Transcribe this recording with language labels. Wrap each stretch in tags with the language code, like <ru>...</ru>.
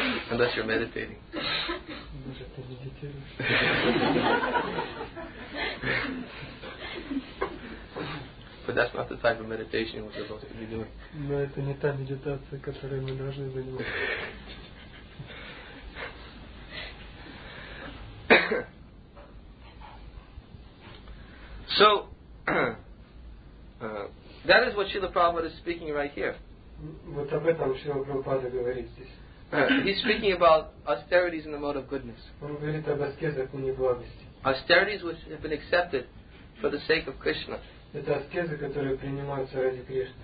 <en>Unless you're meditating. But that's not the type of meditation we're supposed to be doing.</en> <ru>Но это не та медитация, которой мы должны заниматься.</ru> <en>So. That is what Srila Prabhupada is speaking right here.</en> <ru>Вот об этом Шрила Прабхупада говорит здесь.</ru> <en>He's speaking about austerities in the mode of goodness.</en> <ru>Он говорит об аскезах в благости.</ru> <en>Austerities which have been accepted for the sake of Krishna.</en> <ru>Это аскезы, которые принимаются ради Кришны.</ru>